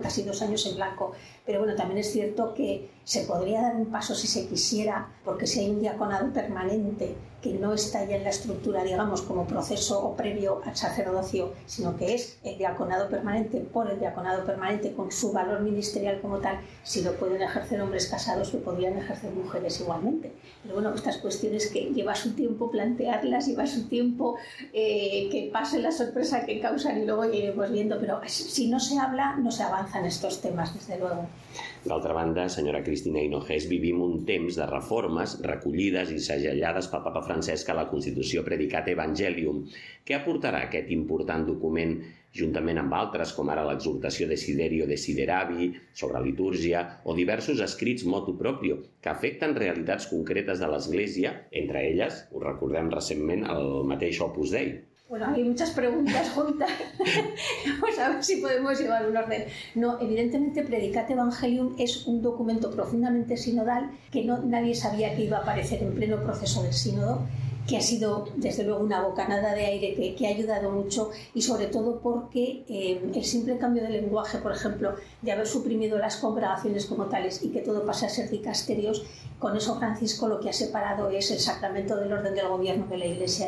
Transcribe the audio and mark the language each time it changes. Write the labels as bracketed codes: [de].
[es] Casi 2 años en blanco. Pero bueno, también es cierto que se podría dar un paso si se quisiera, porque si hay un diaconado permanente que no está ya en la estructura, digamos, como proceso o previo al sacerdocio, sino que es el diaconado permanente, por el diaconado permanente, con su valor ministerial como tal, si lo pueden ejercer hombres casados, lo podrían ejercer mujeres igualmente. Pero bueno, estas cuestiones que lleva su tiempo plantearlas, lleva su tiempo que pase la sorpresa que causan y luego iremos viendo, pero si no se habla, no se avanzan estos temas, desde luego. [ca] D'altra banda, senyora Cristina Hinojés, vivim un temps de reformes recollides i segellades pel Papa Francesc a la Constitució Predicat Evangelium. Què aportarà aquest important document juntament amb altres, com ara l'exhortació Desiderio Desideravi sobre litúrgia o diversos escrits motu proprio que afecten realitats concretes de l'Església, entre elles, ho recordem recentment, el mateix Opus Dei? [es] Bueno, hay muchas preguntas juntas. Vamos a ver si podemos llevar un orden. No, evidentemente, Predicat Evangelium es un documento profundamente sinodal que no, nadie sabía que iba a aparecer en pleno proceso del sínodo, que ha sido, desde luego, una bocanada de aire que ha ayudado mucho y, sobre todo, porque el simple cambio de lenguaje, por ejemplo, de haber suprimido las congregaciones como tales y que todo pase a ser dicasterios, con eso Francisco lo que ha separado es el sacramento del orden del gobierno de la Iglesia.